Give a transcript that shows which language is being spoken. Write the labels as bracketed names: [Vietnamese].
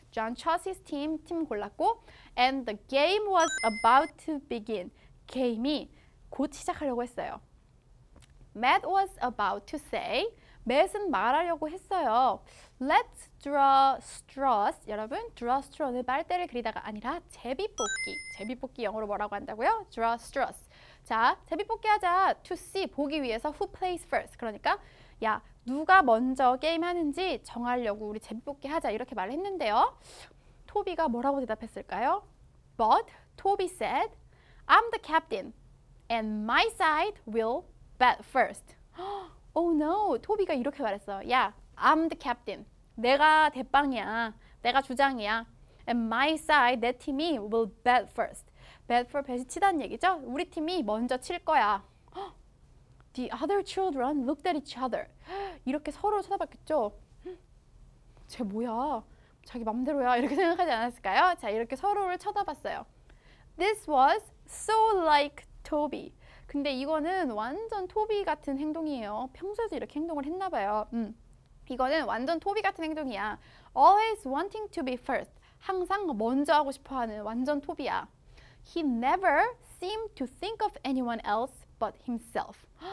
[English] John chose his team, [Korean] 팀 골랐고, [English] and the game was about to begin. [Korean] 게임이 곧 시작하려고 했어요. [English] Matt was about to say, [Korean] Matt은 말하려고 했어요. [English] Let's draw straws. [Korean] 여러분, draw straws는 빨대를 그리다가 아니라 제비뽑기. 제비뽑기 영어로 뭐라고 한다고요? [English] Draw straws. 자, [Korean] 제비뽑기 하자. [English] To see, [Korean] 보기 위해서 [English] who plays first. [Korean] 그러니까, 야, 누가 먼저 게임하는지 정하려고 우리 제비뽑기 하자. 이렇게 말을 했는데요. 토비가 뭐라고 대답했을까요? [English] But, Toby said, I'm the captain and my side will bat first. Oh no, [Korean] 토비가 이렇게 말했어요. 야, [English] I'm the captain. [Korean] 내가 대빵이야. 내가 주장이야. [English] And my side, [Korean] 내 팀이 [English] will bat first. [Korean] Bat for bat이 치다는 얘기죠? 우리 팀이 먼저 칠 거야. [English] The other children looked at each other. [Korean] 이렇게 서로를 쳐다봤겠죠? 쟤 뭐야? 자기 맘대로야. 이렇게 생각하지 않았을까요? 자, 이렇게 서로를 쳐다봤어요. [English] This was so like Toby. [Korean] 근데 이거는 완전 토비 같은 행동이에요. 평소에도 이렇게 행동을 했나 봐요. 이거는 완전 토비 같은 행동이야. [English] Always wanting to be first. [Korean] 항상 먼저 하고 싶어하는 완전 토비야. [English] He never seemed to think of anyone else but himself.